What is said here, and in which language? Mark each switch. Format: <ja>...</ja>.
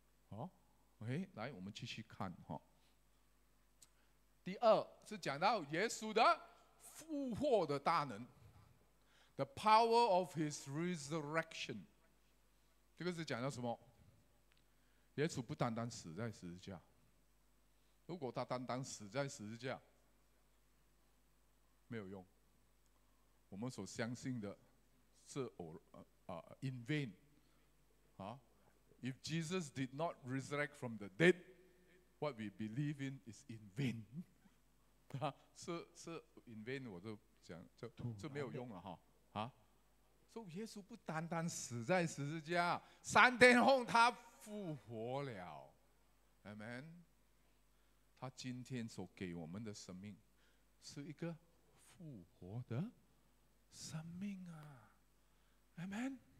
<zh>好 ，OK， 来，我们继续看哈。第二是讲到耶稣的复活的大能 ，</zh> <en>the power of his resurrection。</en> <zh>这个是讲到什么？耶稣不单单死在十字架，如果他单单死在十字架，没有用。我们所相信的是in vain。</zh> <en>If Jesus did not resurrect from the dead, what we believe in is in vain。</en> <zh>是 in vain， 我都讲就没有用了哈。所以耶稣不单单死在十字架，三天后他复活了， Amen。他今天所给我们的生命是一个复活的生命啊， Amen。</zh>